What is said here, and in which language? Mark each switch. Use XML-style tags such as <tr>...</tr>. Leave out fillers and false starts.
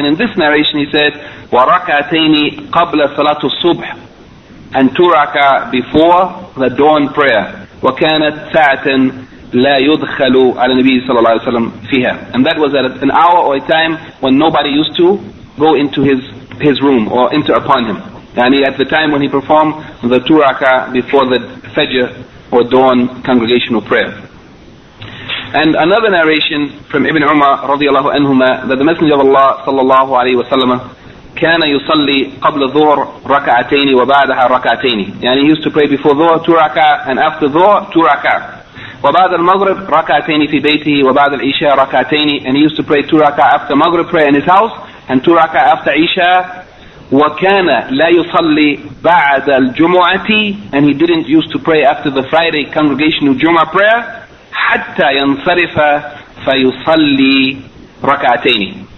<en>And in this narration he said</en> <ar>وركعتين قبل صلاة الصبح</ar> <en>and 2 rak'ah before the dawn prayer</en> <ar>وكانت ساعة لا يدخل على النبي صلى الله عليه وسلم فيها.</ar> <en>And that was at an hour or a time when nobody used to go into his room or enter upon him. And at the time when he performed the 2 rak'ah before the Fajr or dawn congregational prayer. And another narration from Ibn Umar رضي الله عنهما that the Messenger of Allah صلى الله عليه وسلم</en> <ar>كان يصلي قبل الظهر ركعتين وبعدها ركعتين.</ar> <en>يعني he used to pray before dhuhr 2 rak'ah and after dhuhr 2 rak'ah.</en> <ar>وبعد المغرب ركعتين في بيته وبعد العشاء ركعتين.</ar> <en>And he used to pray 2 rak'ah after Maghrib prayer in his house and 2 rak'ah after Isha.</en> <ar>وكان لا يصلي بعد الجمعة,</ar> <en>and he didn't used to pray after the Friday congregational Jum'ah prayer,</en> <ar>حتى ينصرف فيصلي ركعتين.</ar>